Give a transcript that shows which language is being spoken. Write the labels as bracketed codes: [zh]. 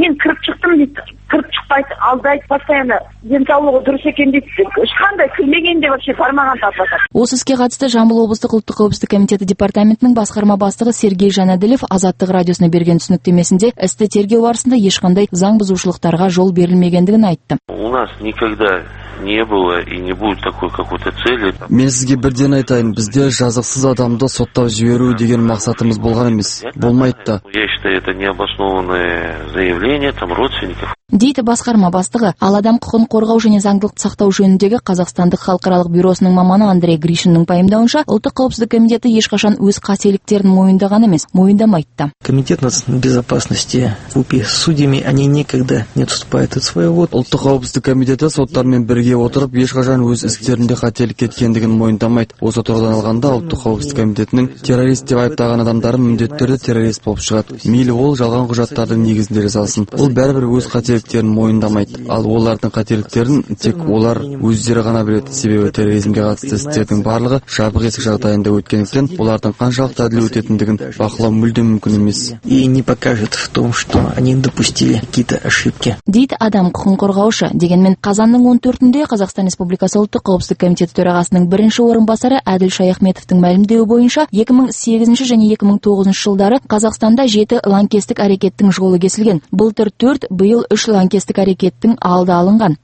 [kk] Мен кіріп шықтым дейді. Кіріп шықпайды, алдайды, [ru] постоянно [kk] денсаулығы дұрыс екен дейді. Ешқандай кірмегенде [ru] вообще [kk] бармаған адвокат. Осы іске қатысты Жамбыл облыстық Ұлттық қауіпсіздік комитеті департаменті басқарма бастығы Сергей Жанаділев Азаттық радиосына берген түсініктемесінде істі тергеу барысында ешқандай заң бұзушылықтарға жол берілмегендігін айтты. [ru] У нас никогда не было и не будет такой какой-то цели. [kk] Мен сізге бірден айтайын, бізде жазықсыз адамды соттап жіберу деген мақсатымыз болған емес. Болмайды да. [ru] Я считаю, это необоснованное заявление там родственников. [kk] Дейді басқарма бастығы, ал адам құқын қорғау және заңдылықты сақтау жөніндегі Қазақстандық халықаралық бюросының маманы Андрей Гришиннің пайымдауынша, Ұлттық қауіпсіздік комитеті ешқашан өз қателіктерін мойындаған емес, мойындамайды. [ru] Комитет национальной безопасности УПИ судьями, они никогда не отступают от своего. [kk] Ұлттық қауіпсіздік комитеті соттармен бірге отырып, ешқашан өз істерінде қателік кеткендігін мойындамайды. Осы тұрғыдан алғанда, Ұлттық қауіпсіздік комитетінің террорист деп айыптаған адамдары міндетті түрде террорист болып шығады. Мейлі ол жалған құжаттардың негізінде жасалсын, ол бәрібір өз қателіктерін мойындамайды. Ал олардың қателіктерін тек олар өздері ғана біледі. Себебі терроризмге қатысты істердің барлығы жабық есік жағдайында өткендіктен, олардың қаншалықты әділ өтетіндігін бақылау мүлдем мүмкін емес. [ru] И не покажет в том, что они допустили какие-то ошибки. [kk] Дейді адам құқын қорғаушы. Дегенмен қазанның 14-інде Қазақстан Республикасы Ұлттық қауіпсіздік комитеті төрағасының бірінші орынбасары Әділ Шаяхметовтің мәлімдеуі бойынша 2008 және 2009 жылдары Қазақстанда 7 лаңкестік әрекеттің жолы кесілген. Былтыр 4, биыл үш лаңкестік әрекеттің алды алынған.